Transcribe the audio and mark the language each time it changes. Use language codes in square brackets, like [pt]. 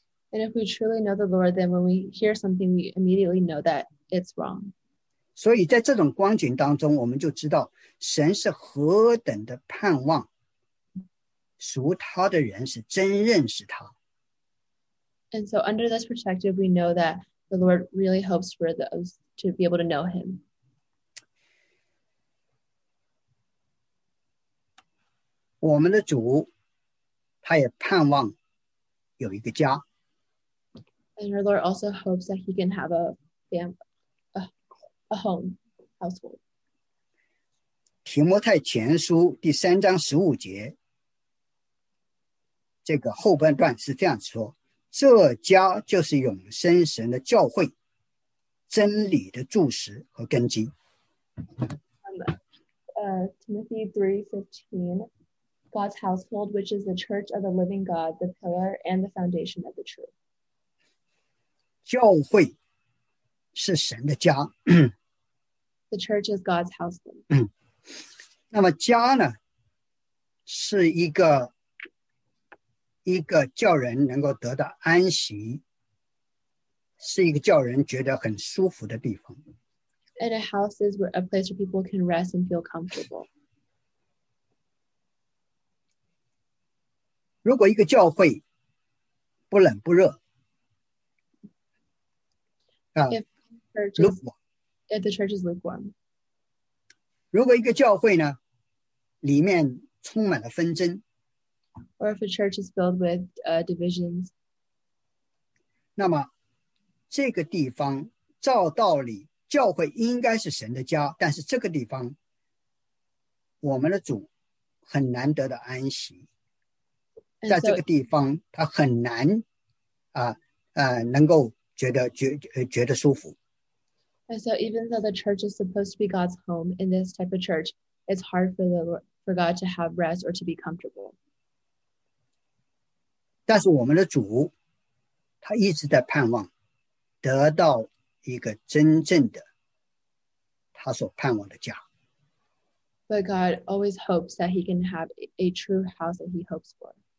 [en] And if we truly know the Lord, then when we hear something, we immediately know that it's wrong. [zh] 所以在这种光景当中，我们就知道神是何等的盼望属他的人是真认识他。 [en] And so under this perspective, we know that the Lord really hopes for those to be able to know him. [zh] 我们的主他也盼望有一个家。 [en] And our Lord also hopes that he can have a home, household. [zh] 提摩太前书第三章十五节这个后半段是这样说，这家就是永生神的教会，真理的柱石和根基。 [en] Timothy 3:15, God's household, which is the church of the living God, the pillar and the foundation of the truth. [zh] 教会是神的家。 [en] The church is God's household. [zh] 那么家呢，是一个叫人能够得到安息，是一个叫人觉得很舒服的地方。 [en] And a house is a place where people can rest and feel comfortable. [zh] 如果一个教会不冷不热， [en] if the church is lukewarm. [zh] 如果一个教会呢，里面充满了纷争。 [en] Or if a church is filled with divisions. [zh] 那么这个地方照道理教会应该是神的家，但是这个地方我们的主很难得的安息，在这个地方他很难能够觉得舒服。 [en] And so even though the church is supposed to be God's home, in this type of church it's hard for God to have rest or to be comfortable. [zh] 但是我们的主他一直在盼望得到一个真正的他所盼望的家。 [en] But God always hopes that he can have a true house that he hopes for.